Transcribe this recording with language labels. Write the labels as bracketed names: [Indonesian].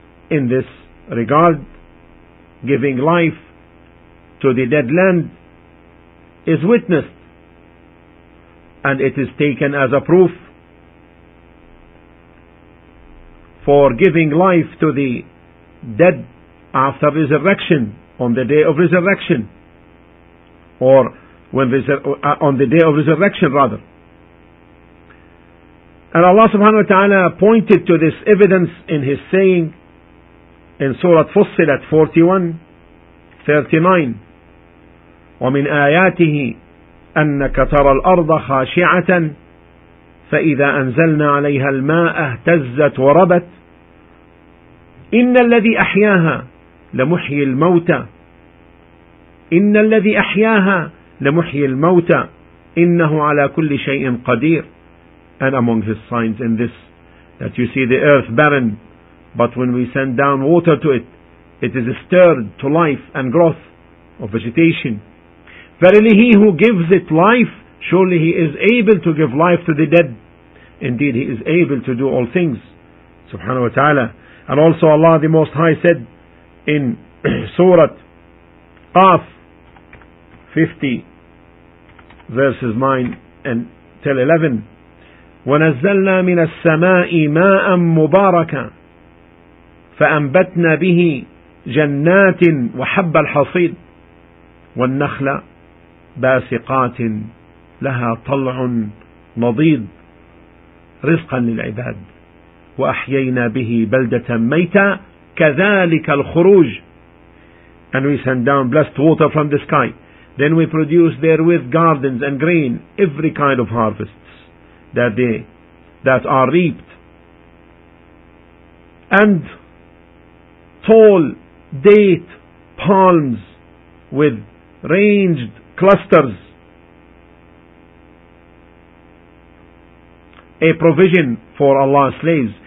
[English] In this regard, giving life to the dead land is witnessed, and it is taken as a proof. For giving life to the dead after resurrection, on the day of resurrection, or when on the day of resurrection rather. And Allah subhanahu wa ta'ala pointed to this evidence in His saying in Surah Fussilat 41:39, [Arabic] وَمِنْ آيَاتِهِ أَنَّكَ تَرَى الْأَرْضَ خَاشِعَةً فَإِذَا أَنْزَلْنَا عَلَيْهَا الْمَاءَ اهْتَزَّتْ وَرَبَتْ إِنَّ الَّذِي أَحْيَاهَا لَمُحْيِي الْمَوْتَى إِنَّ الَّذِي أَحْيَاهَا لَمُحْيِي الْمَوْتَى إِنَّهُ عَلَى كُلِّ شَيْءٍ قَدِيرٍ. [English] And among His signs in this, that you see the earth barren, but when we send down water to it, it is stirred to life and growth of vegetation. Verily He who gives it life, surely He is able to give life to the dead. Indeed He is able to do all things, subhanahu wa ta'ala. And also Allah the Most High said in Surah Qaf [Arabic] 50:9-11, وَنَزَّلْنَا مِنَ السَّمَاءِ مَاءً مُبَارَكًا فَأَنْبَتْنَا بِهِ جَنَّاتٍ وَحَبَّ الْحَصِيدِ وَالنَّخْلَ بَاسِقَاتٍ لَهَا طَلْعٌ نَضِيدٌ رِزْقًا لِلْعِبَادِ وَأَحْيَيْنَا بِهِ بَلْدَةً مَيْتًا كَذَلِكَ الْخُرُوجِ. [English] And we send down blessed water from the sky. Then we produce therewith gardens and grain, every kind of harvests that are reaped. And tall date palms with ranged clusters, a provision for Allah's slaves.